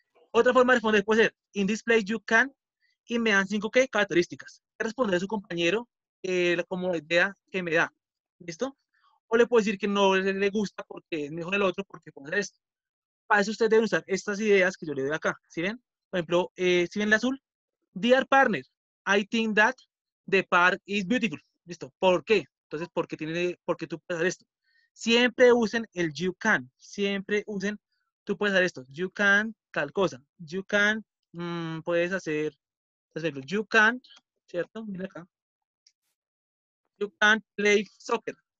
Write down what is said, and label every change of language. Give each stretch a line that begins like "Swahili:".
Spanish: Otra forma de responder puede ser,
English: in this place you can.
Spanish: Y me dan 5 ¿qué? Características. Responder a su compañero como la idea que me da. ¿Listo? O le puedo decir que no le gusta porque es mejor el otro porque puede hacer esto. Para eso usted debe usar estas ideas que yo le doy acá. ¿Sí ven? Por ejemplo, ¿sí ven el azul?
English: Dear partner, I think that the park is beautiful.
Spanish: ¿Listo? ¿Por qué? Entonces, ¿por qué tiene, porque tú puedes hacer esto? Siempre usen el you can. Siempre usen, tú puedes hacer esto. You can, tal cosa. You can, puedes hacer.
English: You can,
Spanish: ¿cierto? Mira acá.
English: You can play soccer.